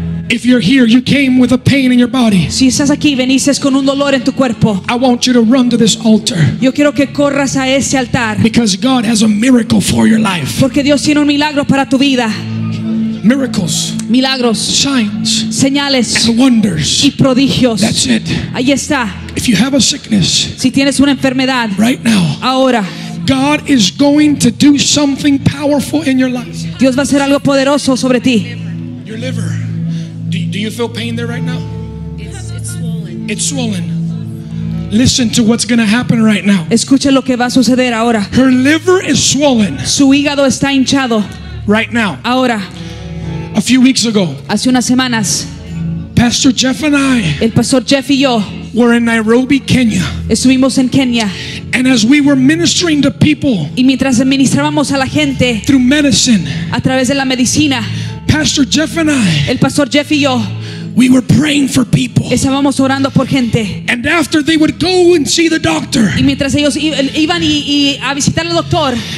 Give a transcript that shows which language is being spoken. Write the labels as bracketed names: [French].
[English] If you're here, you came with a pain in your body. [Spanish] Si estás aquí, veniste con un dolor en tu cuerpo. [English] I want you to run to this altar. [Spanish] Yo quiero que corras a ese altar. [English] Because God has a miracle for your life. [Spanish] Porque Dios tiene un milagro para tu vida. [English] Miracles. [Spanish] Milagros. [English] Signs. [Spanish] Señales. [English] And wonders. [Spanish] Y prodigios. [English] That's it. [Spanish] Ahí está. [English] If you have a sickness. [Spanish] Si tienes una enfermedad. [English] Right now. [Spanish] Ahora. [English] God is going to do something powerful in your life. [Spanish] Dios va a hacer algo poderoso sobre ti. [English] Your liver. Do you feel pain there right now? It's swollen. It's swollen. Listen to what's going to happen right now. [Spanish] Escuche lo que va a suceder ahora. [English] Her liver is swollen. [Spanish] Su hígado está hinchado. [English] Right now. [Spanish] Ahora. [English] A few weeks ago. [Spanish] Hace unas semanas. [English] Pastor Jeff and I. [Spanish] El pastor Jeff y yo. [English] We're in Nairobi, Kenya. [Spanish] Estuvimos en Kenia. [English] And as we were ministering to people. [Spanish] Y mientras administrábamos a la gente. [English] Through medicine. [Spanish] A través de la medicina. [English] Pastor Jeff and I. [Spanish] El pastor Jeff y yo. [English] We were praying for people. [Spanish] Estábamos orando por gente. [English] And after they would go and see the doctor. [Spanish] Y mientras ellos iban y a visitar al doctor.